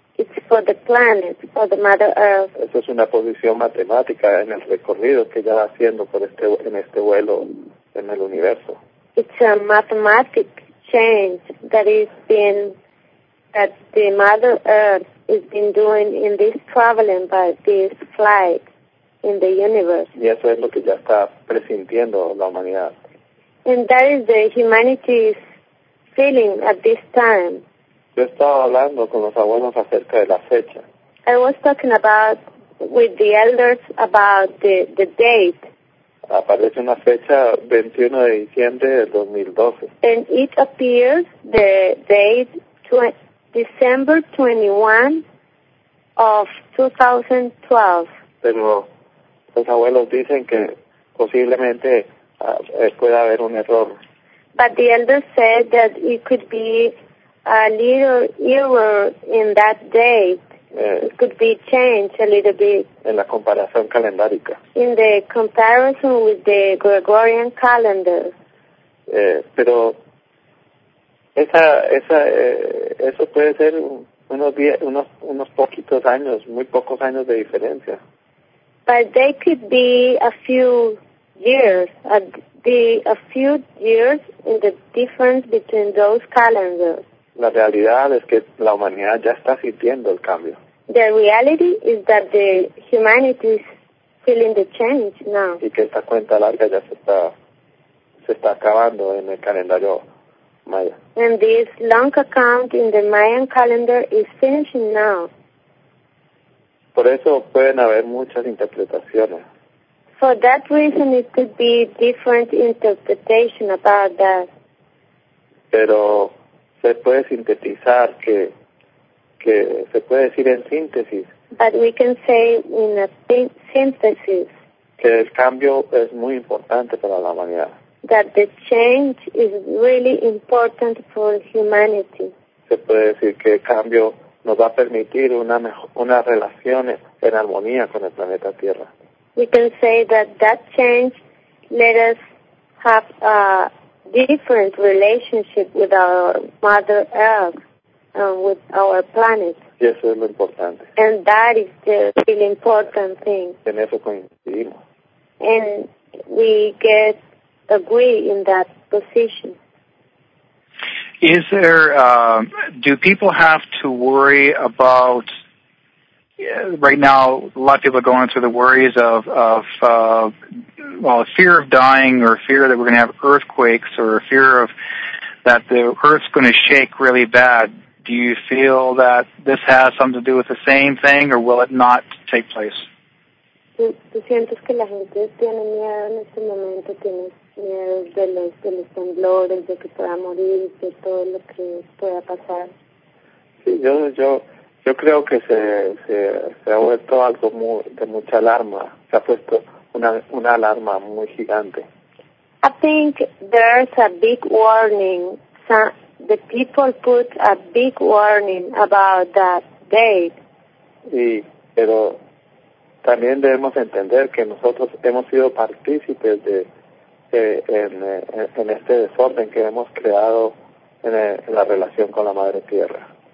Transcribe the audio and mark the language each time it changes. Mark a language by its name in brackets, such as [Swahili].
[English] It's for the planet, for the Mother Earth. [Spanish] Eso es una posición matemática en el recorrido que ya va haciendo por este, en este vuelo en el universo. [English] It's a mathematic change that is being, that the Mother Earth has been doing in this traveling by this flight in the universe. [Spanish] Y eso es lo que ya está presintiendo la humanidad. [English] And that is the humanity's feeling at this time. [Spanish] Yo estaba hablando con los abuelos acerca de la fecha. [English] I was talking about with the elders about the date. [Spanish] Aparece una fecha 21 de diciembre del 2012. [English] And it appears the date December 21 of 2012. [Spanish] Pero los abuelos dicen que posiblemente pueda haber un error. [English] But the elders said that it could be a little error in that date. It could be changed a little bit. [Spanish] En la comparación calendárica. [English] In the comparison with the Gregorian calendar. [Spanish] Pero eso puede ser unos poquitos años, muy pocos años de diferencia. [English] But they could be a few years, a few years in the difference between those calendars. [Spanish] La realidad es que la humanidad ya está sintiendo el cambio. [English] The reality is that the humanity is feeling the change now. [Spanish] Y que esta cuenta larga ya se está acabando en el calendario maya. [English] And this long account in the Mayan calendar is finishing now. [Spanish] Por eso pueden haber muchas interpretaciones. [English] For that reason, it could be different interpretation about that. [Spanish] Pero se puede sintetizar que se puede decir en síntesis. [English] But we can say in a synthesis. [Spanish] Que el cambio es muy importante para la humanidad. [English] That the change is really important for humanity. [Spanish] Se puede decir que el cambio nos va a permitir una relación en armonía con el planeta Tierra. [English] We can say that change let us have a different relationship with our Mother Earth and with our planet. [Spanish] Y eso es lo importante. [English] And that is the really important thing. [Spanish] En eso coincidimos. [English] And we get agree in that position. Is there, do people have to worry about, right now, a lot of people are going through the worries of fear of dying, or fear that we're going to have earthquakes, or fear of that the earth's going to shake really bad. Do you feel that this has something to do with the same thing, or will it not take place? [Spanish] ¿Tú sientes que la gente tiene miedo en este momento? ¿Tienes miedo de los temblores, de que pueda morir, de todo lo que pueda pasar? Sí, yo creo que se ha vuelto algo de mucha alarma. Se ha puesto una alarma muy gigante. [English] I think there's a big warning. The people put a big warning about that date. [Spanish] Sí, pero también debemos entender que nosotros hemos sido partícipes en este desorden que hemos creado en la relación con la Madre Tierra.